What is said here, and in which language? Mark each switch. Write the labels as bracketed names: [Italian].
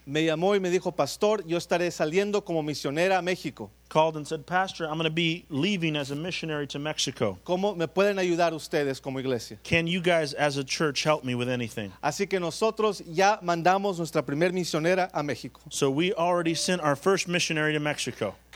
[Spanish] Me llamó y me dijo, Pastor, yo estaré saliendo como misionera a México. [English] Called and said, Pastor, I'm going to be leaving as a missionary to Mexico. [Spanish] ¿Cómo me pueden ayudar ustedes como iglesia? [English] Can you guys as a church help me with anything? [Spanish] Así que nosotros ya mandamos nuestra primer misionera a México. [English] So we already sent our first missionary to Mexico.